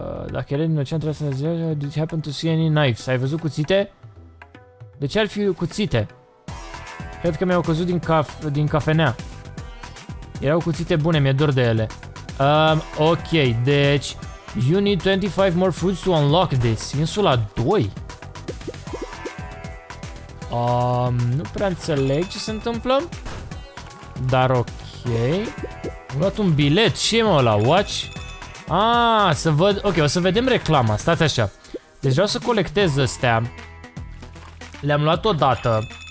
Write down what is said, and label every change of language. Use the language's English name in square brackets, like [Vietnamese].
[Romanian] Dacă el e inocent, trebuie să-mi zic, [English] did you happen to see any knives? [Romanian] Ai văzut cuțite? De ce ar fi cuțite? Cred că mi-au căzut din cafenea. Erau cuțite bune, mi-e dor de ele. Ok, deci... [English] You need 25 more foods to unlock this. [Romanian] Insula 2? Nu prea înțeleg ce se întâmplă. Dar ok. Am luat un bilet. Ce e mă ăla? Watch? Să văd... Ok, o să vedem reclama. Stați așa. Deci vreau să colectez astea. Le-am luat odată.